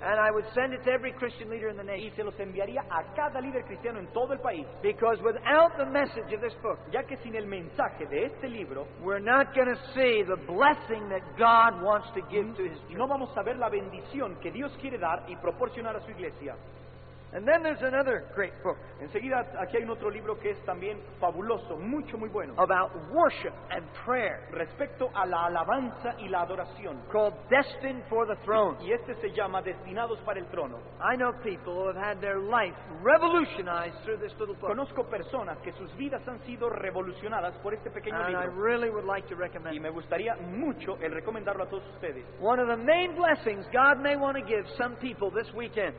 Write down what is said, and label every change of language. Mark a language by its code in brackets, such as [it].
[en] And I would send it to every Christian leader in the nation. [es] Y se los enviaría a cada líder cristiano en todo el país. [en] Because without the message of this book, [es] ya que sin el mensaje de este libro, [en] we're not going to see the blessing that God wants to give to his church. [es] No vamos a ver la bendición que Dios quiere dar y proporcionar a su iglesia. [en] And then there's another great book. [es] Enseguida aquí hay un otro libro que es también fabuloso, mucho muy bueno. [en] About worship and prayer. [es] Respecto a la alabanza y la adoración. [en] Called Destined for the Throne. [es] Y este se llama Destinados para el Trono. [en] I know people who have had their life revolutionized through this little book. [es] Conozco personas que sus vidas han sido revolucionadas por este pequeño [en] and And I really would like to recommend. [es] Y me gustaría mucho el recomendarlo a todos ustedes. [en] One of the main blessings God may want to give some people this weekend.